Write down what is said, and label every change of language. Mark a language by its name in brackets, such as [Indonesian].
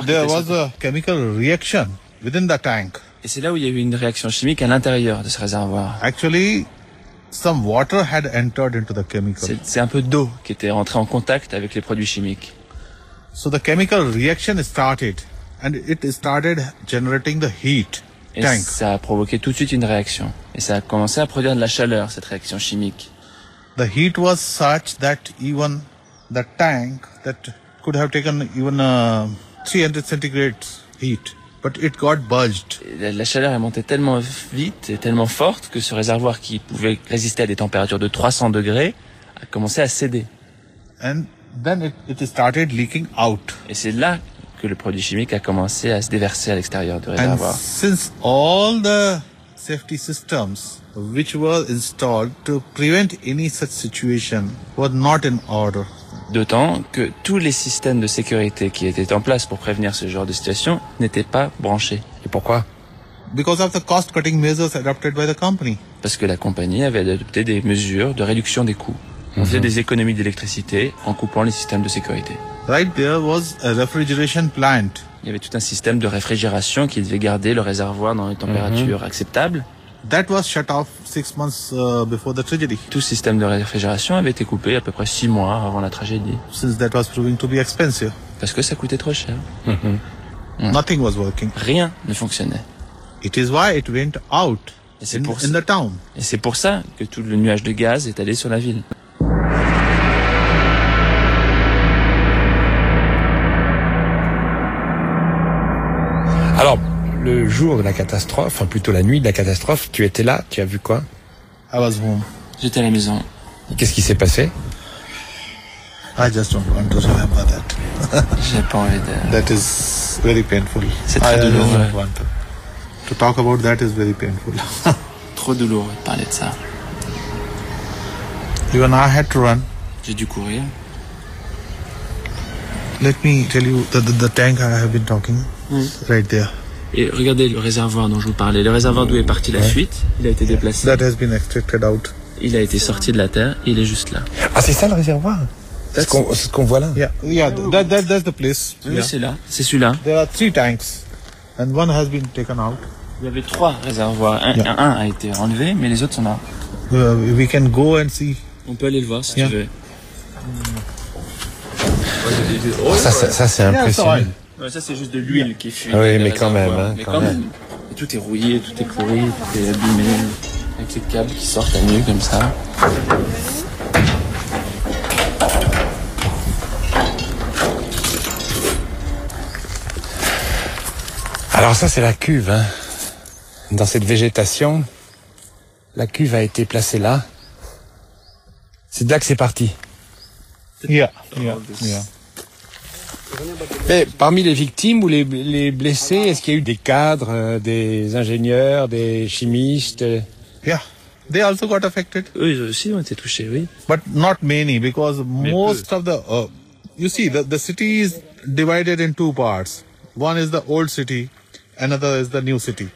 [English] But there was a chemical reaction within the tank. [French] Et c'est là où il y a eu une réaction chimique à l'intérieur de ce réservoir. [English] Actually, some water had entered into the chemical. [French] C'est un peu d'eau qui était rentrée en contact avec les produits chimiques. [English] So the chemical reaction started. And it started generating the heat tank. [French] Et ça a provoqué tout de suite une réaction. Et ça a commencé à produire de la chaleur, cette réaction chimique. [English] The heat was such that even the tank that could have taken even 300 centigrade heat, but it got budged. [French] La chaleur est montée tellement vite et tellement forte que ce réservoir qui pouvait résister à des températures de 300 degrés a commencé à céder. [English] And then it started leaking out. [French] Et c'est là que le produit chimique a commencé à se déverser à l'extérieur du réservoir. [English] And since all the safety systems which were installed to prevent any such situation were not in order. [French] D'autant que tous les systèmes de sécurité qui étaient en place pour prévenir ce genre de situation n'étaient pas branchés. Et pourquoi? [English] Because of the cost-cutting measures adopted by the company. [French] Parce que la compagnie avait adopté des mesures de réduction des coûts. On faisait des économies d'électricité en coupant les systèmes de sécurité. [English] Right there was a refrigeration plant. [French] Il y avait tout un système de réfrigération qui devait garder le réservoir dans les températures acceptables. [English] That was shut off 6 months before the tragedy. [French] Tout système de réfrigération avait été coupé à peu près 6 mois avant la tragédie. [English] Since that was proving to be expensive. [French] Parce que ça coûtait trop cher. [English] Nothing was working. [French] Rien ne fonctionnait. [English] It is why it went out. [French] Et c'est pour ça, [English] in the town. [French] Et c'est pour ça que tout le nuage de gaz est allé sur la ville. Alors, le jour de la catastrophe, enfin plutôt la nuit de la catastrophe, tu étais là, tu as vu quoi? [English] I was home. [French] J'étais à la maison. Et qu'est-ce qui s'est passé? [English] I just don't want to remember that. [French] J'ai pas envie de... [English] That is very painful. [French] C'est très douloureux. [English] I don't want to. To talk about that is very painful. [French] Trop douloureux de parler de ça. [English] You and I had to run. [French] J'ai dû courir. [English] Let me tell you the tank I have been talking. Right there. [French] Et regardez le réservoir dont je vous parlais. Le réservoir d'où est partie la fuite, il a été déplacé. [English] That has been extracted out. [French] Il a été sorti de la terre, et il est juste là. Ah, c'est ça le réservoir? Ce qu'on voit là? [English] Yeah, that's the place. [French] Oui, [English] yeah. [French] C'est là, c'est celui-là. [English] There are three tanks, and one has been taken out. [French] Il y avait trois réservoirs. Un a été enlevé, mais les autres sont là. [English] We can go and see. [French] On peut aller le voir si tu veux. Ça c'est impressionnant. Yeah, ça, c'est juste de l'huile qui fuit. Oui, mais quand même. Hein, mais quand même. Et tout est rouillé, tout est pourri, tout est abîmé. Avec les câbles qui sortent à nu comme ça. Alors ça, c'est la cuve. Hein. Dans cette végétation, la cuve a été placée là. C'est de là que c'est parti. Mais parmi les victimes ou les blessés, est-ce qu'il y a eu des cadres, des ingénieurs, des chimistes? [English] Yeah, they also got affected. [French] Oui, ils aussi ont été touchés, oui. [English] But not many, because most of the, you see, the city is divided in two parts. One is the old city, another is the new city.